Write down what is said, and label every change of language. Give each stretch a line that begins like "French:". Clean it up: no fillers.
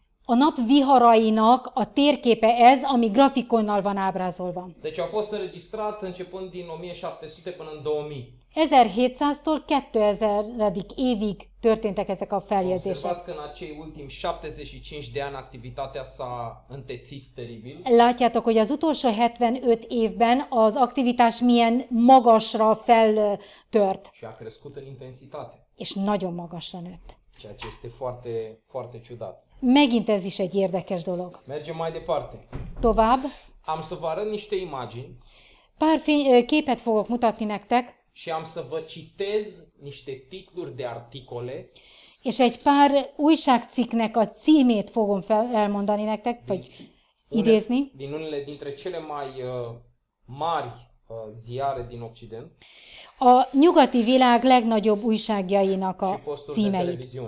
Hungarian: A nap viharainak a térképe ez, ami grafikonnal van ábrázolva.
Romanian: Deci a fost înregistrat începând din 1700 până în 2000.
Hungarian: 1700-tól 2000-edik évig történtek ezek a feljegyzések.
Romanian: Observați că în acei ultimi 75 de ani activitatea s-a întețit teribil.
Hungarian: Látjátok, hogy az utolsó 75 évben az aktivitás milyen magasra feltört.
Romanian: Și a crescut în intensitate.
Hungarian: És nagyon magasra nőtt.
Romanian: Ceea ce este foarte, foarte ciudat.
Hungarian: Megint ez is egy érdekes dolog.
Romanian: Mergem mai departe.
Hungarian: Tovább.
Romanian: Am să vă arăt niște imagini.
Hungarian: Pár képet fogok mutatni nektek.
Romanian: Și am să vă citez niște titluri de articole.
Hungarian: És egy pár újságcikknek a címét fogom elmondani nektek, vagy idézni.
Romanian: Din unele dintre cele mai mari ziare din Occident.
Hungarian: A nyugati világ legnagyobb újságjainak a címeit.